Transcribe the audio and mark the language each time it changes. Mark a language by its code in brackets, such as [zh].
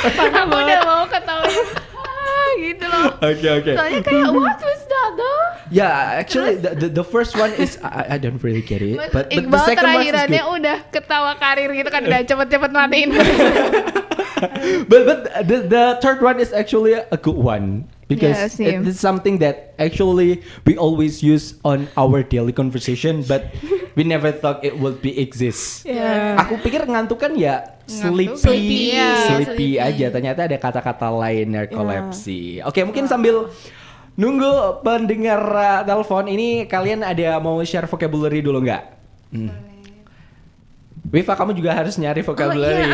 [id] Aku udah mau ketahuin gitu loh. [en] Okay. [id] Soalnya kayak [en] what was that though? Yeah, actually the first one is I don't really get it. But Iqbal the second [id] terakhirannya udah ketawa karir gitu kan, udah cepet matiin. [en] but the third one is actually a good one. Because it's something that actually we always use on our daily conversation, but we never thought it would be exist. Yeah. [id] Aku pikir ngantuk kan ya sleepy aja. Ternyata ada kata-kata lain, narcolepsy. Yeah. Okay, mungkin sambil nunggu pendengar telepon ini, kalian ada mau share vocabulary dulu nggak? Wifa, kamu juga harus nyari vocabulary.